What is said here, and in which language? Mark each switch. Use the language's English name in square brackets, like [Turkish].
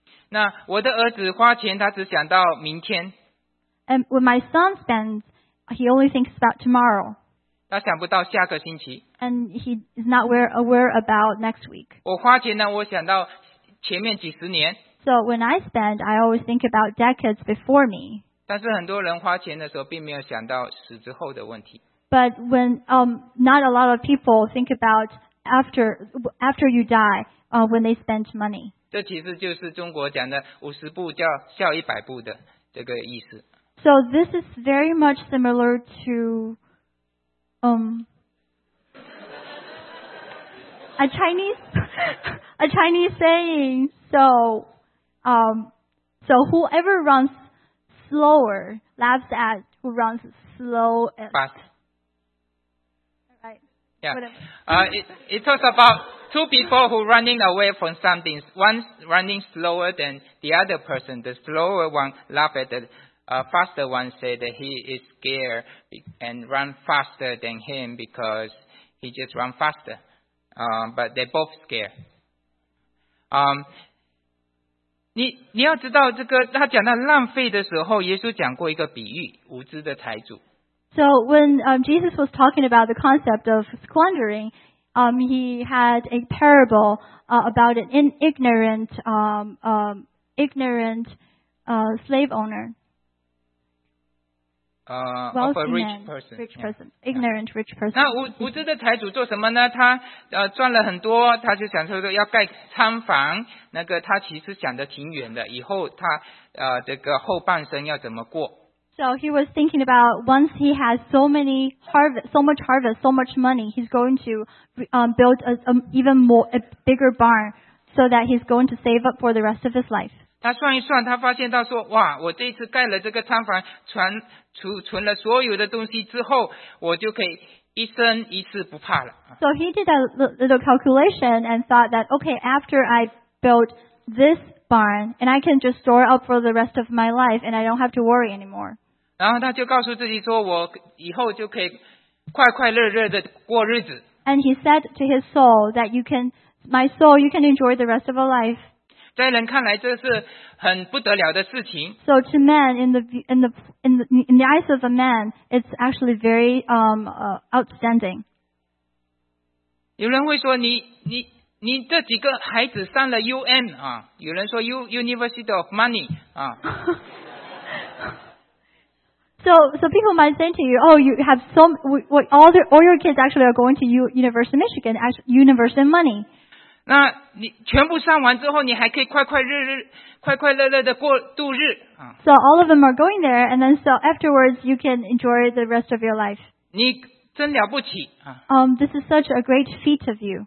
[Chinese] 那我的儿子花钱，他只想到明天。 [English] And when my son spends, he only thinks about tomorrow. [Chinese] 他想不到下个星期。 [English] And he is not aware about next week. [Chinese] 我花钱呢，我想到前面几十年。 [English] So when I spend, I always think about decades before me. [Chinese] 但是很多人花钱的时候，并没有想到死之后的问题。 [English] But when not a lot of people think about after you die, when they spend money. [Chinese] 这其实就是中国讲的五十步叫笑一百步的这个意思。 [English] So this is very much similar to a Chinese saying. So whoever runs slower laughs at who runs slowest. But, right. Yeah. It talks about two people who are running away from something. One running slower than the other person. The slower one laughs at the faster one say that he is scared and run faster than him because he just run faster. But they're both scared. [Chinese] 你要知道这个他讲到浪费的时候耶稣讲过一个比喻无知的财主。 [English] So when Jesus was talking about the concept of squandering, he had a parable about an ignorant slave owner. Of a rich person. Ignorant rich person. [Chinese] 那无知的财主做什么呢？他赚了很多，他就想说要盖仓房。那个他其实想的挺远的，以后他这个后半生要怎么过 [English] ？So he was thinking about once he has so much harvest, so much money, he's going to build a bigger barn so that he's going to save up for the rest of his life. [Chinese] 他算一算，他发现到说，哇，我这次盖了这个仓房，储存了所有的东西之后，我就可以一生一世不怕了。 [English] So he did a little calculation and thought that, okay, after I built this barn, and I can just store up for the rest of my life, and I don't have to worry anymore. [Chinese] 然后他就告诉自己说，我以后就可以快快乐乐的过日子。 [English] And he said to his soul that you can enjoy the rest of a life. [Chinese] 在人看来这是很不得了的事情。 [English] So to man, in the eyes of a man, it's actually very outstanding. [Chinese] 有人会说你这几个孩子上了 UM 啊，有人说 [English] University of Money [Chinese] 啊。 [English] So people might say to you, oh, you have all your kids actually are going to University of Michigan, University of Money. [Chinese] 那你全部上完之后，你还可以快快乐乐、快快乐乐的过度日啊。 [English] So all of them are going there, and then so afterwards you can enjoy the rest of your life. [Chinese] 你真了不起啊。 [English] This is such a great feat of you.